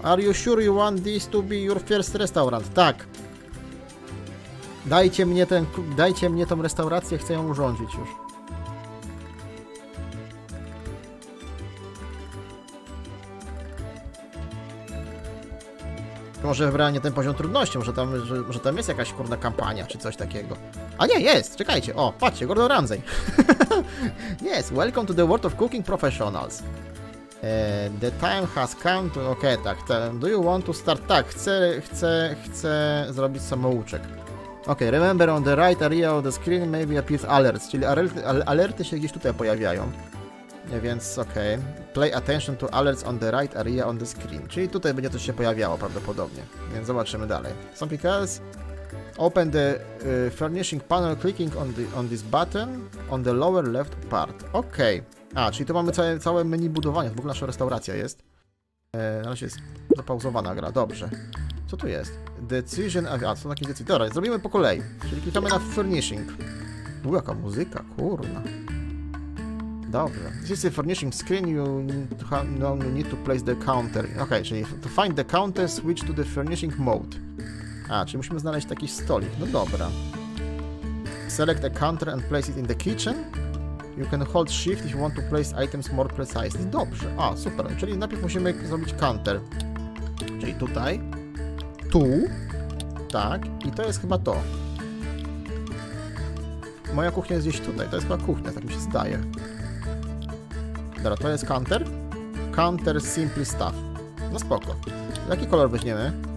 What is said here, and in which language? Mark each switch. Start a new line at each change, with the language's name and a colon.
English: Are you sure you want this to be your first restaurant?
Polish: Tak. Dajcie mnie tą restaurację, chcę ją urządzić już. Może wybranie ten poziom trudności, może tam jest jakaś kurna kampania czy coś takiego. A nie, jest, czekajcie, o, patrzcie, Gordon Ramsay.
English: Yes, welcome to the world of cooking professionals. The time has come to... Okej, okay, tak, do you want to start?
Polish: Tak, chcę zrobić samouczek. Okej, okay,
English: remember on the right area of the screen maybe appears alerts,
Polish: czyli alerty się gdzieś tutaj pojawiają. Więc okej. Okay.
English: Play attention to alerts on the right area on the screen.
Polish: Czyli tutaj będzie coś się pojawiało prawdopodobnie. Więc zobaczymy dalej.
English: Some pickles. Open the furnishing panel clicking on this button on the lower left part. Okej.
Polish: Okay. A, czyli tu mamy całe menu budowania. W ogóle nasza restauracja jest. Na razie jest zapauzowana gra. Dobrze. Co tu jest? Decision. A, co na jakieś decyzje? Dobra, zrobimy po kolei. Czyli klikamy na furnishing. Uuu, jaka muzyka, kurna. Dobrze.
English: This is the furnishing screen, you need to place the counter. Okay, czyli to find the counter, switch to the furnishing mode.
Polish: A, czyli musimy znaleźć taki stolik. No dobra.
English: Select a counter and place it in the kitchen. You can hold shift if you want to place items more precisely.
Polish: Dobrze. A, super. Czyli najpierw musimy zrobić counter. Czyli tutaj. Tu. Tak. I to jest chyba to. Moja kuchnia jest gdzieś tutaj. To jest chyba kuchnia, tak mi się zdaje. Dobra, to jest counter. Counter Simply Stuff. No spoko. Jaki kolor weźmiemy?